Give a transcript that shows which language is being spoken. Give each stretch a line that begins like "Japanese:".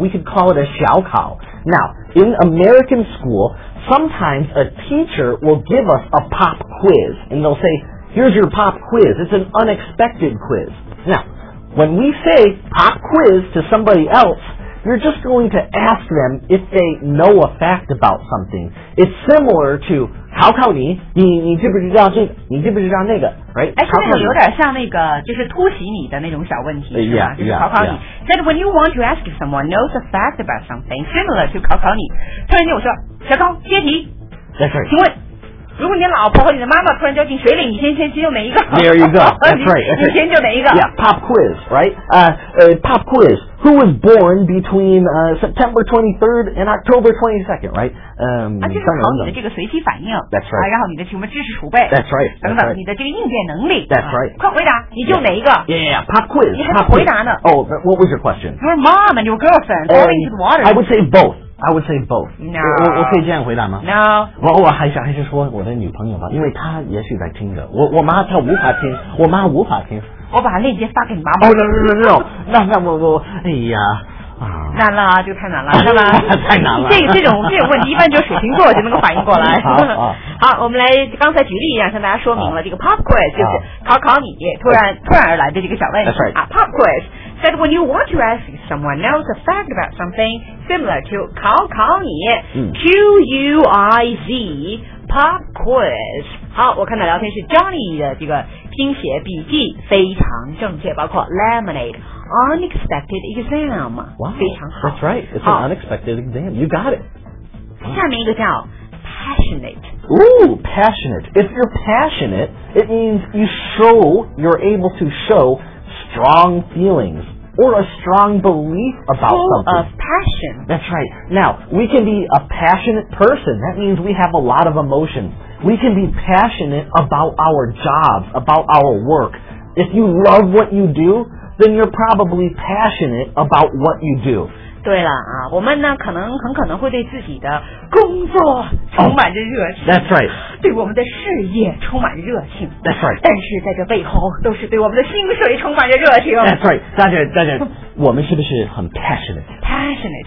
English: We could call it a
Chinese: 小考。
English: Now, in American school, sometimes a teacher will give us a pop quiz, and they'll say, "Here's your pop quiz. It's an unexpected quiz." Now. When we say pop quiz to somebody else, you're just going to ask them if they know a fact about something. It's similar to
Chinese: 考考你，你知不知道这个？你知不知道那个 ？Right？哎，这个有点像那个，就是突袭你的那种小问题，是吧？
English: Yeah,
Chinese: 就是考考你。
English: Yeah, yeah. That when you want to ask if someone knows a fact about something, similar to 考考你。
Chinese: 突然间我说，小高接题。
English: That's right.
Chinese: 请问。如果你老婆和你的妈妈突然掉进水里，你先接救哪一个？
English: There you go. That's right. That's right.
Chinese: 你先救哪一个？
English: Yeah, pop quiz, right? Pop quiz. Who was born between September 23rd and October 22nd, right?
Chinese: 就是考你的这个随机反应。
English: That's right.
Chinese: 然后你的什么知识储备？
English: That's right.
Chinese: 等等，你的这个应变能力。
English: That's right.
Chinese: 快回答，你救哪一个？
English: Yeah, yeah, pop quiz.
Chinese: 你还没回答呢。
English: Oh, what was your question? Your mom and your girlfriend falling into the water. I would say both. I would say both. No.
Chinese: 我可以这样回答吗？
English: No.
Chinese: 我偶尔还是说我的女朋友吧，因为她也许在听着。我妈她无法听，我妈无法听。我把链接发给你妈妈。
English: Oh, no.
Chinese: 那我哎呀。难了啊，就太难了，是吧？太难了。这种问题，一般就水瓶座就能够反应过来。好，我们来刚才举例一样，向大家说明了这个 pop quiz 就是考考你突然而来的这个小问题。
English: That's right. Pop quiz said when you want to ask someone knows a fact about something similar to
Chinese: 考考你
English: Q U I Z pop quiz。
Chinese: 好，我看到聊天是 Johnny 的这个拼写笔记非常正确，包括 lemonade。
English: Unexpected exam. Wow,
Chinese: 非常好
English: That's right. It's an unexpected exam. You got it.
Chinese: 下面一个叫 passionate.
English: Ooh, passionate. If you're passionate, it means you're able to show strong feelings or a strong belief about something. of passion. That's right. Now, we can be a passionate person. That means we have a lot of emotion. We can be passionate about our jobs, about our work. If you love what you do,then you're probably passionate about what you do.
Chinese: 对了啊，我们呢可能很可能会对自己的工作充满着热情。
English: That's right.
Chinese: 对我们的事业充满热情。
English: That's right.
Chinese: 但是在这背后都是对我们的薪水充满着热情。
English: That's right.
Chinese: 大家我们是不是很 passionate?
English: Passionate.